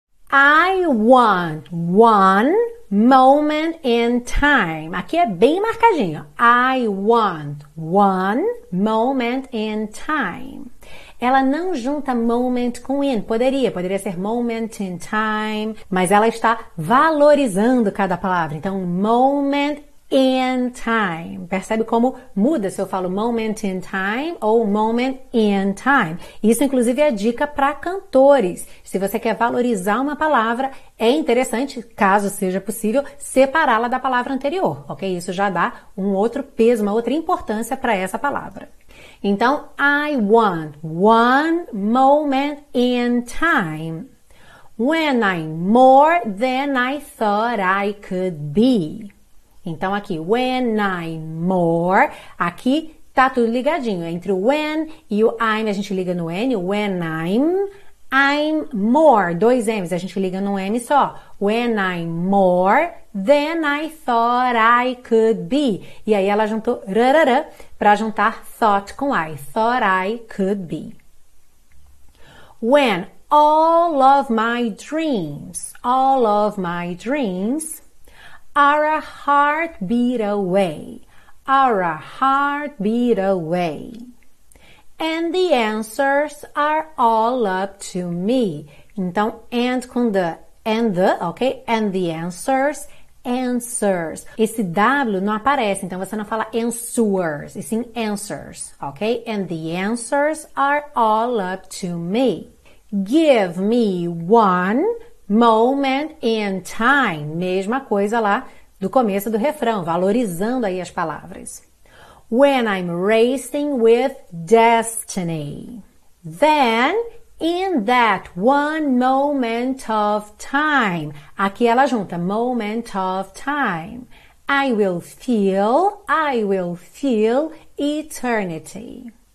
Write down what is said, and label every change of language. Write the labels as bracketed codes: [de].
[en] I want one moment in time. [pt] Aqui é bem marcadinho. [en] I want one moment in time. [pt] Ela não junta moment com in. Poderia ser moment in time. Mas ela está valorizando cada palavra. Então, moment in time. Percebe como muda se eu falo moment in time ou moment in time. Isso, inclusive, é dica para cantores. Se você quer valorizar uma palavra, é interessante, caso seja possível, separá-la da palavra anterior. Ok? Isso já dá um outro peso, uma outra importância para essa palavra. Então, [en] I want one moment in time when I'm more than I thought I could be. [pt] Então, aqui, when I'm more, aqui tá tudo ligadinho. Entre o when e o I'm, a gente liga no N. When I'm more, dois M's, a gente liga no M só. [en] When I'm more than I thought I could be. [pt] E aí ela juntou rarará para juntar thought com I. [en] Thought I could be. When all of my dreams are a heartbeat away. Are a heartbeat away. And the answers are all up to me. [pt] Então, and com the. And the, ok? And the answers, answers. Esse W não aparece, então você não fala answers, e sim answers, ok? [en] And the answers are all up to me. Give me one moment in time. [pt] Mesma coisa lá do começo do refrão, valorizando aí as palavras. [en] When I'm racing with destiny. Then, in that one moment of time. [pt] Aqui ela junta, [en] moment of time. I will feel eternity.